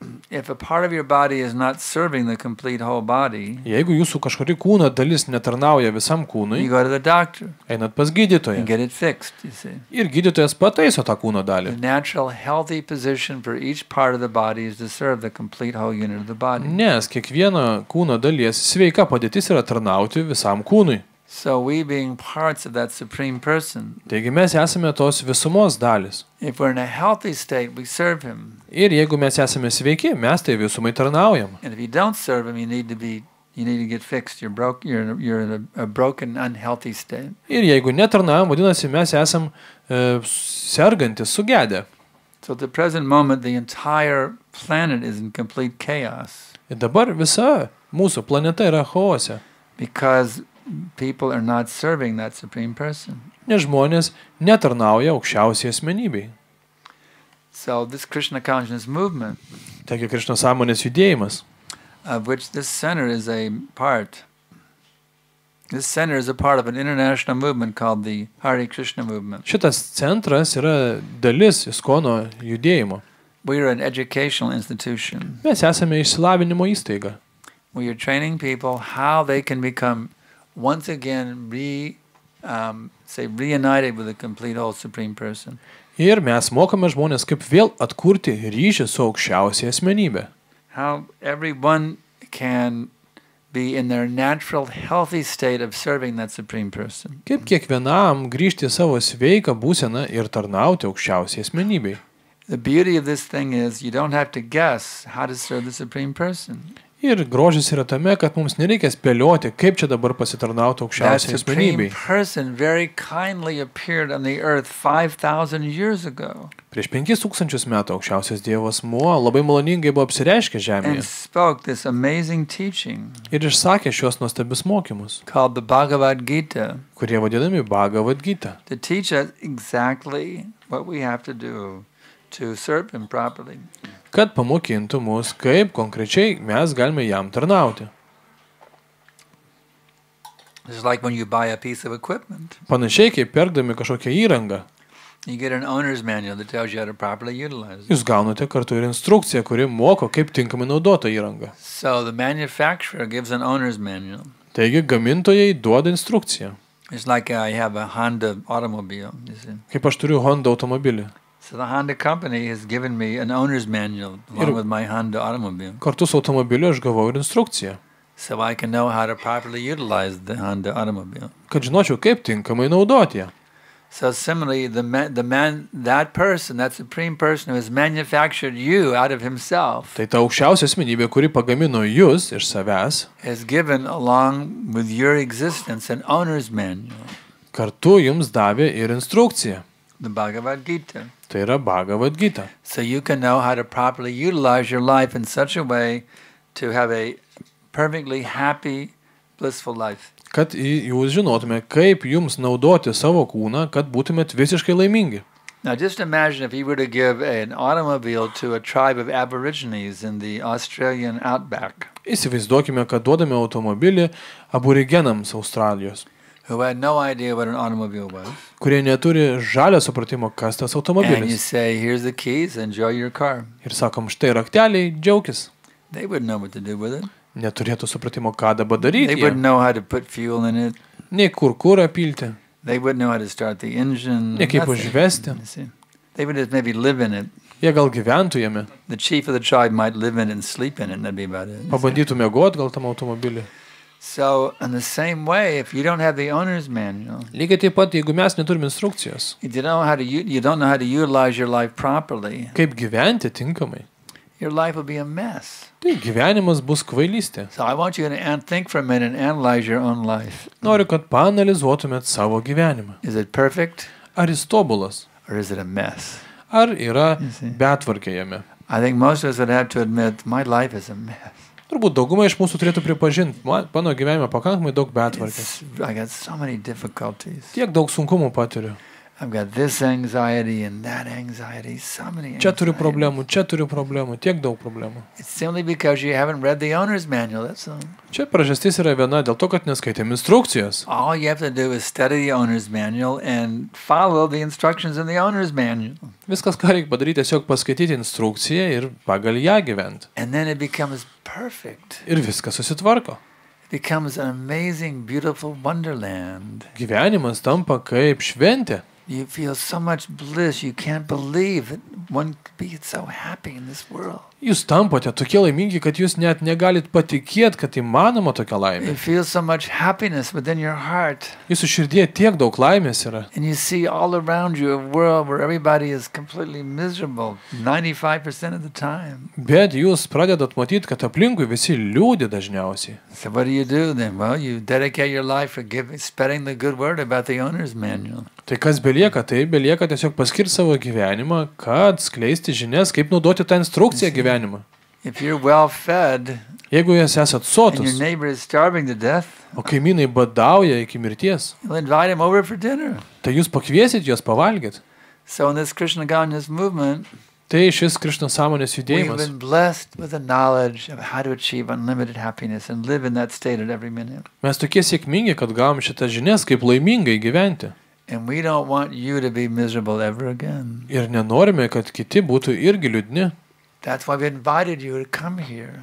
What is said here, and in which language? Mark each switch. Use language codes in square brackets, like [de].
[en] If a part of your body is not serving the complete whole body, [lt] jeigu jūsų kažkuri kūno dalis netarnauja visam kūnui, [en] you go to the doctor, [lt] einat pas gydytoją, [en] and get it fixed, you see. [lt] Ir gydytojas pataiso tą kūno dalį. [en] The natural healthy position for each part of the body is to serve the complete whole unit of the body. [lt] Nes kiekvieno kūno dalies sveika padėtis yra tarnauti visam kūnui. [en] So we being parts of that supreme person. [lt] Taigi mes esame tos visumos dalis. [en] If we're in a healthy state, we serve him. [lt] Ir jeigu mes esame sveiki, mes tai visumai tarnaujam. [en] And if you don't serve him, you need to get fixed. You're in a broken, unhealthy state. [lt] Ir jeigu netarnaujam, vadinasi, mes esam sergantis, sugedę. [en] So at the present moment, the entire planet is in complete chaos. [lt] Ir dabar visa mūsų planeta yra chaose. [en] Because people are not serving that supreme person. [lt] Nes žmonės netarnauja aukščiausiai asmenybei. [en] So this Krishna consciousness movement. [lt] Taigi Krishna sąmonės judėjimas. [en] Of which this center is a part. This center is a part of an international movement called the Hare Krishna movement. [lt] Šitas centras yra dalis ISKCONo judėjimo. [en] We are an educational institution. [lt] Mes esame išsilavinimo įstaiga. [en] We are training people how they can become once again reunited with the complete whole supreme person. [lt] Ir mes mokame žmones kaip vėl atkurti ryšį su aukščiausia asmenybe. [en] How everyone can be in their natural healthy state of serving that supreme person. [lt] Kaip kiekvienam grįžti savo sveiką būseną ir tarnauti aukščiausiai asmenybei. [en] The beauty of this thing is you don't have to guess how to serve the supreme person. [lt] Ir grožis yra tame, kad mums nereikia spėlioti, kaip čia dabar pasitarnauti aukščiausiai asmenybei. [en] That supreme person very kindly appeared on the earth 5,000 years ago. [lt] Prieš 5,000 metų aukščiausias Dievas Mo labai maloningai buvo apsireiškę žemėje. [en] And spoke this amazing teaching. [lt] Ir išsakė šios nuostabius mokymus. [en] Called the Bhagavad Gita. [lt] Kurie vadinami Bhagavad Gita. [en] To teach us exactly what we have to do to serve him properly. [lt] Kad pamokintų mus, kaip konkrečiai mes galime jam tarnauti. [en] It's like when you buy a piece of equipment. [lt] Panašiai kaip pirkdami kažkokią įrangą. [en] You get an owner's manual that tells you how to properly utilize. [lt] Jūs gaunate kartu ir instrukciją, kuri moko, kaip tinkamai naudoti įrangą. [en] So the manufacturer gives an owner's manual. [lt] Taigi gamintojai duoda instrukciją. [en] It's like I have a Honda automobile, you see. [lt] Kaip aš turiu Honda automobilį. [en] So the Honda company has given me an owner's manual along with my Honda automobile. [lt] Kartu su automobiliu aš gavau ir instrukciją. [en] So I can know how to properly utilize the Honda automobile. [lt] Kad žinočiau, kaip tinkamai naudoti ją. [en] So similarly, that person, that supreme person who has manufactured you out of himself. [lt] Tai ta aukščiausia asmenybė, kuri pagamino jūs iš savęs. [en] Has given along with your existence an owner's manual. [lt] Kartu jums davė ir instrukciją. [en] The Bhagavad Gita. [lt] Tai yra Bhagavad Gita. [en] So you can know how to properly utilize your life in such a way to have a perfectly happy, blissful life. [lt] Kad jūs žinotume, kaip jums naudoti savo kūną, kad būtumėt visiškai laimingi. [en] Now just imagine if you were to give an automobile to a tribe of aborigines in the Australian outback. [lt] Įsivaizduokime, kad duodame automobilį aborigenams Australijos. [en] Who had no idea what an automobile was. [lt] Kurie neturi žalio supratimo, kas tas automobilis. [en] And you say, here's the keys, enjoy your car. [lt] Ir sakom, štai rakteliai, džiaukis. [en] They wouldn't know what to do with it. [lt] Neturėtų supratimo, ką dabar daryti. [en] They wouldn't know how to put fuel in it. [lt] Nei kur kurą pilti. [en] They wouldn't know how to start the engine. [lt] Nei kaip užvesti. [en] They would just maybe live in it. [lt] Jie gal gyventų jame. [en] The chief of the tribe might live in it and sleep in it, and that'd be about it. [lt] Pabandytų miegot gal tam automobilį. [en] So in the same way, if you don't have the owner's manual, [lt] lygiai taip pat, jeigu mes neturime instrukcijos, [en] you don't know how to utilize your life properly, [lt] kaip gyventi tinkamai, [en] your life will be a mess. [lt] Tai gyvenimas bus kvailystė. [en] So I want you to think for a minute and analyze your own life. [lt] Noriu, kad paanalizuotumėt savo gyvenimą. [en] Is it perfect? [lt] Ar jis tobulas? [en] Or is it a mess? [lt] Ar yra betvarkė jame? [en] I think most of us would have to admit my life is a mess. [lt] Turbūt dauguma iš mūsų turėtų pripažinti, mano gyvenime pakankamai daug betvarkės. [en] I got so many difficulties. [lt] Tiek daug sunkumų patiriu. [en] I've got this anxiety and that anxiety, so many anxiety. [lt] Čia turiu problemų, čia turiu problemų, tiek daug problemų. [en] It's simply because you haven't read the owner's manual, that's all. [lt] Čia priežastis yra viena, dėl to, kad neskaitėm instrukcijos. [en] All you have to do is study the owner's manual and follow the instructions in the owner's manual. [lt] Viskas, ką reikia padaryti, tiesiog paskaityti instrukciją ir pagal ją gyventi. [en] And then it becomes perfect. [lt] Ir viskas susitvarko. [en] Becomes an amazing, beautiful wonderland. [lt] Gyvenimas tampa kaip šventė. [en] You feel so much bliss, you can't believe that one could be so happy in this world. [lt] Jūs tampate tokie laimingi, kad jūs net negalit patikėti, kad įmanoma tokia laimė. [en] You feel so much happiness within your heart. [lt] Jūsų širdyje tiek daug laimės yra. [en] And you see all around you a world where everybody is completely miserable 95% of the time. [lt] Bet jūs pradedat matyti, kad aplinkui visi liūdi dažniausiai. [en] So what do you do then? Well, you dedicate your life for giving, spreading the good word about the owner's manual. [lt] Tai kas belieka, tai belieka tiesiog paskirti savo gyvenimą, kad skleisti žinias, kaip naudoti tą instrukciją gyvenimą. [en] If you're well fed, [lt] jeigu jūs esat sotus, [en] your neighbor is starving to death, [lt] o kaimynai badauja iki mirties, [en] you'll invite him over for dinner. [lt] Tai jūs pakviesit juos pavalgyt. [en] So in this Krishna consciousness movement, [lt] tai šis Krishna sąmonės judėjimas. [en] We've been blessed with the knowledge of how to achieve unlimited happiness and live in that state at every minute. [lt] Mes tokie sėkmingi, kad gavom šitas žinias, kaip laimingai gyventi. [en] And we don't want you to be miserable ever again. [lt] Ir nenorime, kad kiti būtų irgi liūdni. [en] That's why we invited you to come here.